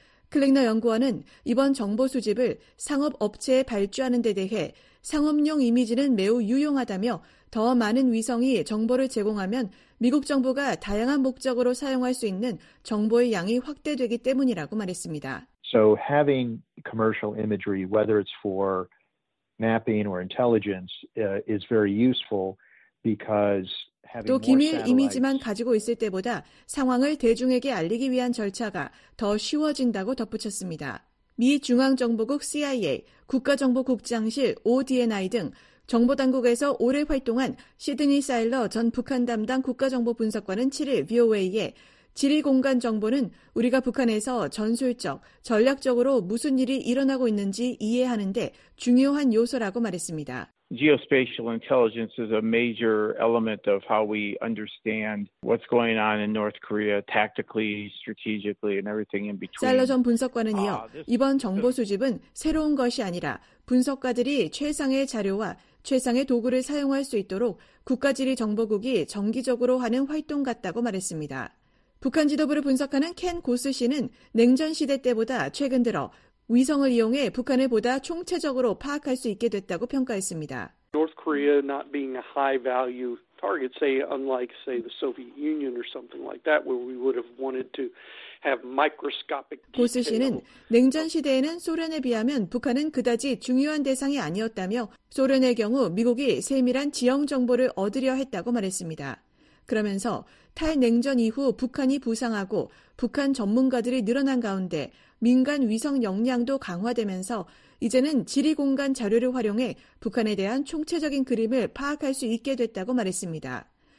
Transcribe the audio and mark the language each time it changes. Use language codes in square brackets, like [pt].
[ko] 클릭너 연구원은 이번 정보 수집을 상업 업체에 발주하는 데 대해 상업용 이미지는 매우 유용하다며 더 많은 위성이 정보를 제공하면 미국 정부가 다양한 목적으로 사용할 수 있는 정보의 양이 확대되기 때문이라고 말했습니다. [en] So having commercial imagery, whether it's for mapping or intelligence, is very useful because [ko] 또 기밀 이미지만 가지고 있을 때보다 상황을 대중에게 알리기 위한 절차가 더 쉬워진다고 덧붙였습니다. 미 중앙정보국 CIA, 국가정보국장실 ODNI 등 정보당국에서 오래 활동한 시드니 사일러 전 북한 담당 국가정보분석관은 7일 VOA에 지리공간 정보는 우리가 북한에서 전술적, 전략적으로 무슨 일이 일어나고 있는지 이해하는 데 중요한 요소라고 말했습니다. [en] Geospatial intelligence is a major element of how we understand what's going on in North Korea tactically, strategically, and everything in between. [ko] 사일러 전 분석관은 이어 이번 정보 수집은 새로운 것이 아니라 분석가들이 최상의 자료와 최상의 도구를 사용할 수 있도록 국가지리정보국이 정기적으로 하는 활동 같다고 말했습니다. 북한 지도부를 분석하는 켄 고스 씨는 냉전 시대 때보다 최근 들어 위성을 이용해 북한을 보다 총체적으로 파악할 수 있게 됐다고 평가했습니다. [en] North Korea not being a high value target, say unlike say the Soviet Union or something like that, where we would have wanted to have microscopic. [ko] 고스 씨는 냉전 시대에는 소련에 비하면 북한은 그다지 중요한 대상이 아니었다며 소련의 경우 미국이 세밀한 지형 정보를 얻으려 했다고 말했습니다. 그러면서 탈냉전 이후 북한이 부상하고 북한 전문가들이 늘어난 가운데 민간 위성 역량도 강화되면서 이제는 지리공간 자료를 활용해 북한에 대한 총체적인 그림을 파악할 수 있게 됐다고 말했습니다.